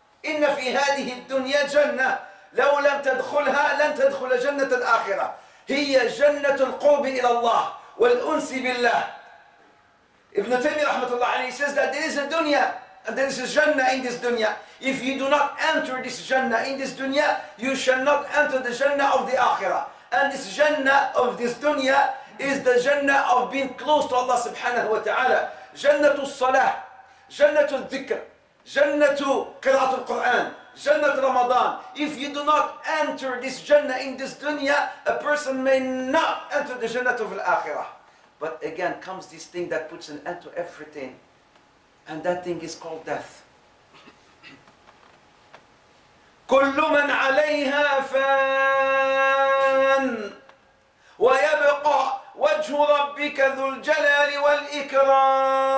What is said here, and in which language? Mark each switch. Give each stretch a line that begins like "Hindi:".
Arabic: إن في هذه الدنيا جنة لو لم تدخلها لن تدخل جنة الآخرة. هي جنة القرب إلى الله والأنس بالله.
English: ابن تيمية
Arabic: رحمة الله عليه
English: says that there is a dunya and there is a jannah in this dunya. If you do not enter this jannah in this dunya, you shall not enter the jannah of the akhirah. And this jannah of this dunya is the jannah of being close to Allah subhanahu wa ta'ala.
Arabic: جنة الصلاة، جنة الذكر، جنة قراءة القرآن، جنة رمضان.
English: If you do not enter this jannah in this dunya, a person may not enter the jannah of al-akhirah. But again comes this thing that puts an end to everything, and that thing is called death.
Arabic: كل من عليها فان ويبقى وجه ربك ذو الجلال والإكرام.